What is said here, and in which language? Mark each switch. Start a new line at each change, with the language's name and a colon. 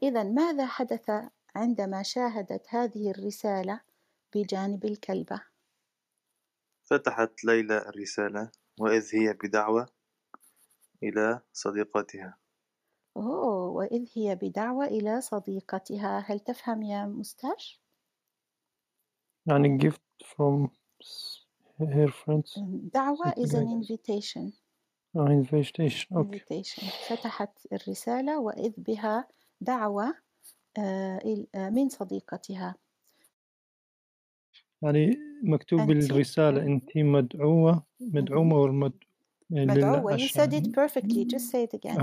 Arabic: إذن ماذا حدث عندما شاهدت هذه الرسالة بجانب الكلبة؟ فتحت ليلى الرسالة وإذ هي بدعوة إلى صديقتها. وإذ هي بدعوة إلى صديقتها. هل تفهم يا مستاش؟ يعني
English: gift from her friends. دعوة is an invitation. Invitation. Okay. Invitation.
Arabic: فتحت الرسالة وإذ بها دعوة من صديقتها. يعني مكتوب الرسالة أنت مدعوة. مدعومة
English: مدعوة. You said it perfectly. Just say it again.